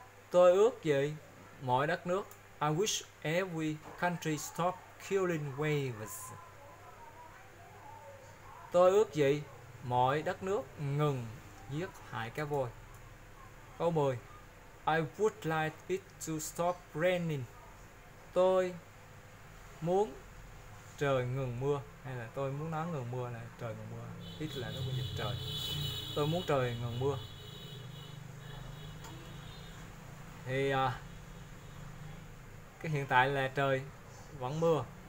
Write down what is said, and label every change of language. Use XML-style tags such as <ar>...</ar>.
<vi>Tôi ước gì mọi đất nước.</vi> <en>I wish every country stop killing waves.</en> <vi>Tôi ước gì mọi đất nước ngừng giết hại cá voi. Câu 10,</vi> <en>I would like it to stop raining.</en> <vi>Tôi muốn trời ngừng mưa. Hay là tôi muốn nói ngừng mưa là trời ngừng mưa. Ít là nó cũng dịch trời. Tôi muốn trời ngừng mưa. Thì cái hiện tại là trời vẫn mưa.</vi>